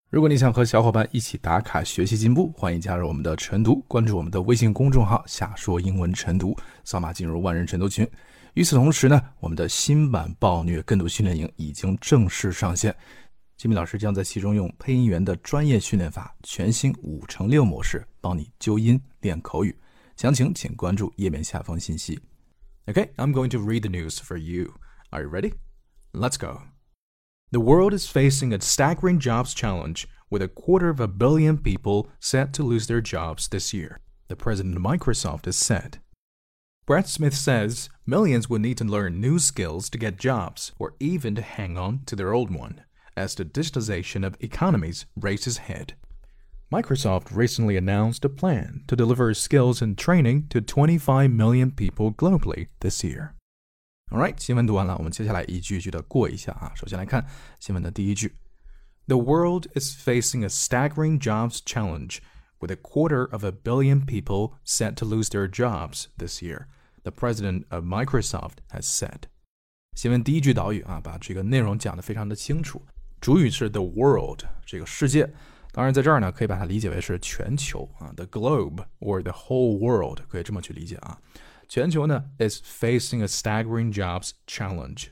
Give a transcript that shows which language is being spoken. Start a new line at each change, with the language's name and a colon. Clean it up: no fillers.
Chinese: 如果你想和小伙伴一起打卡学习进步，欢迎加入我们的晨读，关注我们的微信公众号夏说英文晨读，扫码进入万人晨读群。与此同时呢，我们的新版暴虐跟读训练营已经正式上线，吉米老师将在其中用配音员的专业训练法，全新5x6模式帮你纠音练口语，详情请关注页面下方信息。
English: Okay, I'm going to read the news for you. Are you ready? Let's go. The world is facing a staggering jobs challenge, with a quarter of a billion people set to lose their jobs this year, the president of Microsoft has said. Brett Smith says millions will need to learn new skills to get jobs, or even to hang on to their old one, as the digitization of economies races ahead. Microsoft recently announced a plan to deliver skills and training to 25 million people globally this year. All right,
Chinese: 新闻读完了，我们接下来一句一句的过一下啊。首先来看新闻的第一句。
English: The world is facing a staggering jobs challenge, with a quarter of a billion people set to lose their jobs this year, the president of Microsoft has said.
Chinese: 新闻第一句导语啊，把这个内容讲得非常的清楚。主语是
English: the world,
Chinese: 这个世界。当然在这儿呢，可以把它理解为是全球啊 ,
English: the globe or the whole world,
Chinese: 可以这么去理解啊。全球呢
English: is facing a staggering jobs challenge,